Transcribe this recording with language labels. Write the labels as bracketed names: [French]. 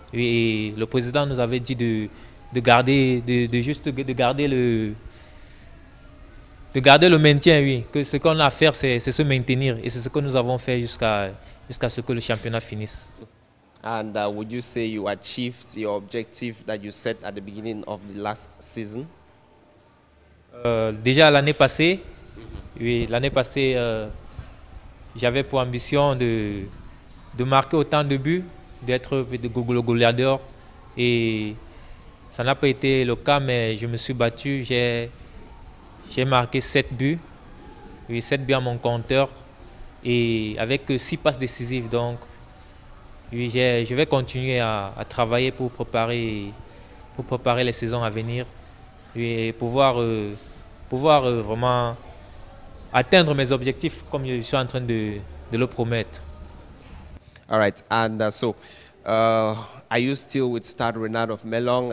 [French] Et le président nous avait dit de garder le maintien, oui. Que ce qu'on a à faire, c'est se maintenir. Et c'est ce que nous avons fait jusqu'à ce que le championnat finisse. [English] And would you say you achieved your objective that you set at the beginning of the last season? [French] Déjà l'année passée, oui, l'année passée, j'avais pour ambition de marquer autant de buts, d'être le goleador. Et ça n'a pas été le cas, mais je me suis battu. J'ai marqué 7 buts, oui, 7 buts à mon compteur, et avec 6 passes décisives. Donc, oui, je vais continuer à travailler pour préparer les saisons à venir, oui, et pouvoir vraiment atteindre mes objectifs comme je suis en train de le promettre. [English] All right, and are you still with Stade Renard of Melong?